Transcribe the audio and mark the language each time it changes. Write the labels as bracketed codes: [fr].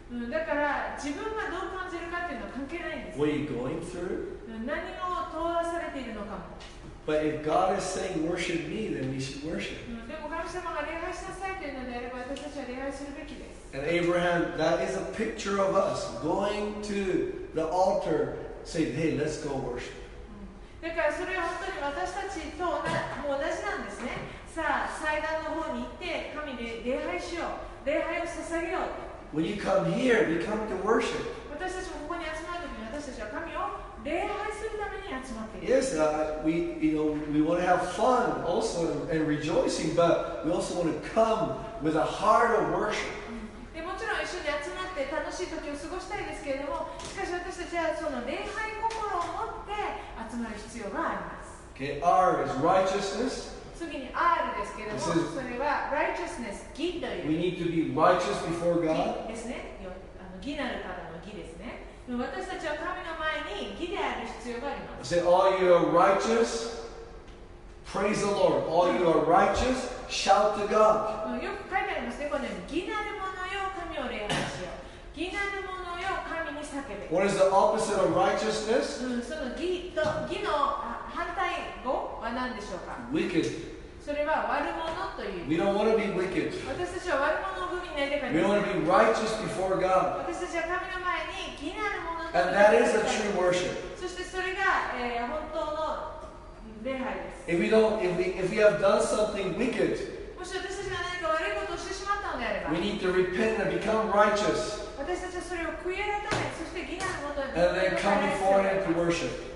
[ja] だから自分がどう感じるかっていうのは関係ないんです。 [en] What are you going through? [ja] 何を通らされているのかも。 [en] But if God is saying worship me, then we should worship. [ja] でも神様が礼拝しなさいというのであれば、私たちは礼拝するべきです。 [en] And Abraham, that is a picture of us going to the altar, saying, "Hey, let's go worship." [ja] だからそれは本当に私たちと同じなんですね。さあ祭壇の方に行って神で礼拝しよう、礼拝を捧げよう。 [en] When you come here, we come to worship. [ja] 私たちもここに集まるときに、私たちは神を礼拝するために集まっている。 [en] Yes, we want to have fun also and rejoicing, but we also want to come with a heart of worship. [ja] でもちろん一緒に集まって楽しい時を過ごしたいですけれども、しかし私たちはその礼拝心を持って集まる必要があります。 [en] Okay, R is righteousness. [ja] 次に R ですけれども、それは righteousness、義という。 [en] We need to be righteous before God. [ja] 義ですね。義なる方の義ですね。私たちは神の前に義である必要があります。 [en] Say, all you are righteous, praise the Lord. All you are righteous, shout to God. [ja] よく書いてありますね。このように、義なる者よ、神を礼拝しよう。義なる者よ、神に叫べ。 [en] What is the opposite of righteousness? [ja] その義と、義の反対語は何でしょうか? [en] Wicked. [ja] それは悪者という。 [en] We don't want to be wicked. [ja] 私たちは悪者の組になりたくない。 [en] We want to be righteous before God. [ja] 私たちは神の前に義なる者となりた [en] い。And that is a true worship. [ja] そしてそれが、本当の礼拝です。 [en] If we have done something wicked, [ja] もし私たちが何か悪いことをしてしまったのであれば、 [en] we need to repent and become righteous. [ja] 私たちはそれを悔い改め、そして義なる者とな [en] りたい。And then come before Him to worship.